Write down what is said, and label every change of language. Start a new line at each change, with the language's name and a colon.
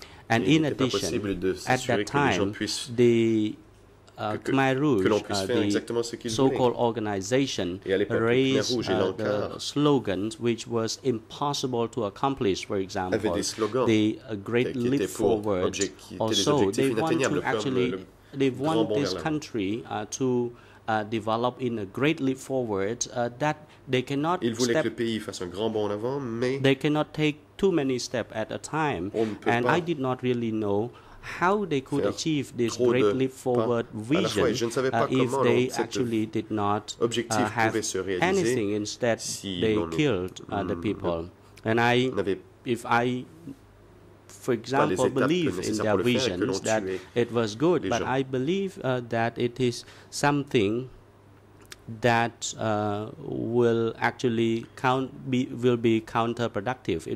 English: And in addition, at that time, the Khmer Rouge, the so-called organization, raised the slogans which was impossible to accomplish. For example, the Great Leap Forward. Also, they want to actually, they want this country to develop in a great leap forward. That they cannot.
French: Ils voulaient que le pays fasse un grand bond en avant, mais
English: they cannot take too many steps at a time. And I did not really know how they could achieve this great leap forward vision if they actually did not have anything. Instead, they killed the people. And I, if I, for example, believe in their vision, that it was good, but I believe that it is something that will actually be counterproductive.